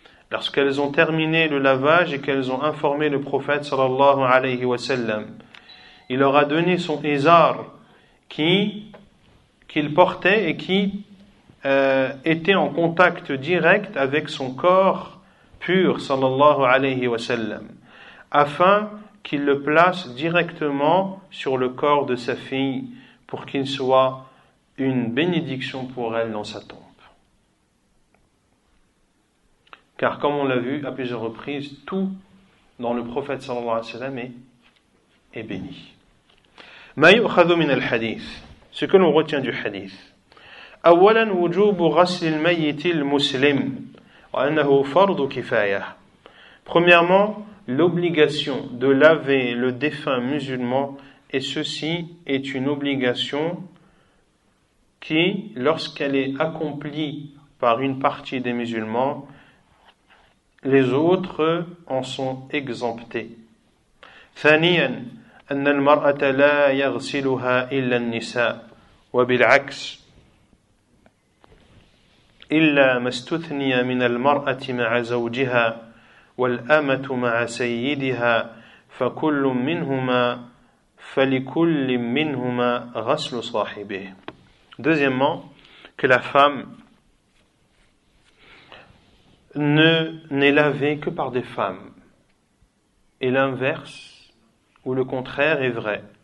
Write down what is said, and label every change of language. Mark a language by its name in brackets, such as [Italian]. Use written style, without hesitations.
[French] Lorsqu'elles ont terminé le lavage et qu'elles ont informé le prophète [Arabic] sallallahu alayhi wa sallam, [French] il leur a donné son izar qu'il portait et qui était en contact direct avec son corps pur sallallahu alayhi wa sallam, afin qu'il le place directement sur le corps de sa fille pour qu'il soit une bénédiction pour elle dans sa tombe. Car comme on l'a vu à plusieurs reprises, tout dans le prophète [Arabic] sallallahu alayhi wa sallam [French] est béni. [Arabic] ما يؤخذ من الحديث سكن وغتين دو حديث أولا وجوب غسل الميت المسلم وأنه فرض كفاية. [French] Premièrement, l'obligation de laver le défunt musulman, et ceci est une obligation qui, lorsqu'elle est accomplie par une partie des musulmans, les autres en sont exemptés. [Arabic] ثانيا أن المرأة لا يغسلها إلا النساء وبالعكس إلا ما استثني من المرأة مع زوجها والأمة مع سيدها فكل منهما فلكل منهما غسل صاحبه. [French] Deuxièmement, que la femme n'est lavée que par des femmes, et l'inverse ou le contraire est vrai.